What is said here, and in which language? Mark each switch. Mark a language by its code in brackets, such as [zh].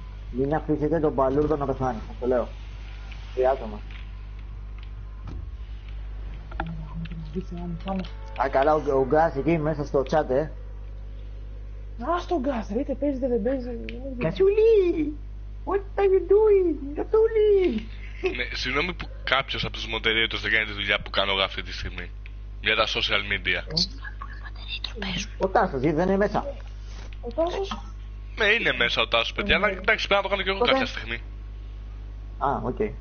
[el] Μην αφήσετε τον Μπαλούρδο να πεθάνει, θα το λέω. Τι άτομα. Α, καλά, ο Γκάς εκεί μέσα στο chat, ε. Α, στο Γκάς, ρε, είτε παίζετε, δεν παίζετε. Κασούλη! [en] What are you doing, Κασούλη! [el] Ναι, συγγνώμη που κάποιος από τους moderators δεν κάνει τη δουλειά που κάνω εγώ αυτή τη στιγμή. Για τα social media. Ο Τάσος, δεν είναι μέσα. Ο Τάσος, Ναι, είναι μέσα ο Τάσος, παιδιά, αλλά εντάξει, πρέπει να το κάνω και εγώ κάποια στιγμή. Α, οκ.